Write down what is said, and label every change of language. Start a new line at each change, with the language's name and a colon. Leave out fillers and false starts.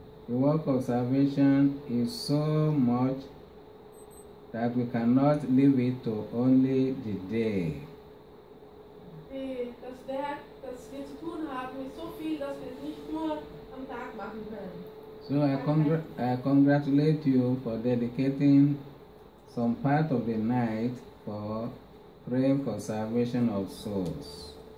English: The work of salvation is so much that we cannot leave it to only the day.
German: Das Werk, das wir zu tun haben, ist so viel, dass wir es nicht nur am Tag machen können.
English: So I congratulate you for dedicating some part of the night for praying for salvation of souls.